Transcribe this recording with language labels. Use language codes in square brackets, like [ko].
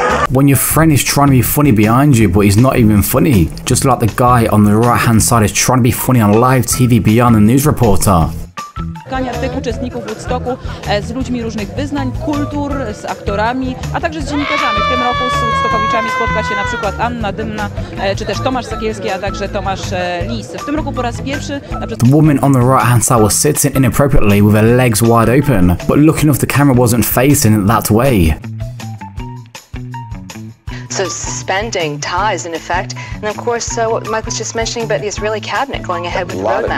[en] When your friend is trying to be funny behind you, but he's not even funny. Just like the guy on the right hand side is trying to be funny on live TV beyond the news reporter. [pl] Tych uczestników Woodstocku z ludźmi różnych wyznań, kultur, z aktorami, a także z dziennikarzami. W tym roku z Woodstockowiczami spotka się na przykład Anna Dymna, czy też Tomasz Sekielski, a także Tomasz Lis. W tym roku po raz pierwszy... [en] The woman on the right hand side was sitting inappropriately with her legs wide open, but looking off the camera wasn't facing that way. So suspending ties in effect, and of course, so what Mike was just mentioning about the Israeli cabinet going ahead with the roadmap.